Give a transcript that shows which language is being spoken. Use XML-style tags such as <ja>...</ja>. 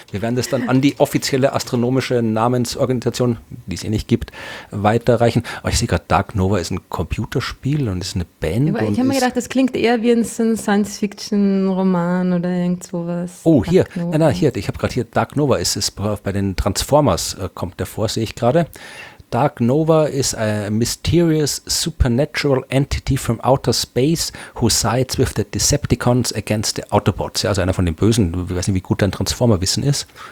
<de>Wir werden das dann an die offizielle astronomische Namensorganisation, die es eh nicht gibt, weiterreichen. Aber ich sehe gerade, Dark Nova ist ein Computerspiel und ist eine Band. Aber ich habe mir gedacht, das klingt eher wie ein Science-Fiction-Roman oder irgend sowas. Oh, Dark hier. Nein, ich habe gerade hier, Dark Nova ist bei den Transformers, kommt der vor, sehe ich gerade.</de> <en>Dark Nova is a mysterious supernatural entity from outer space who sides with the Decepticons against the Autobots.</en> <de>Ja, also einer von den Bösen. Ich weiß nicht, wie gut dein Transformer-Wissen ist.</de>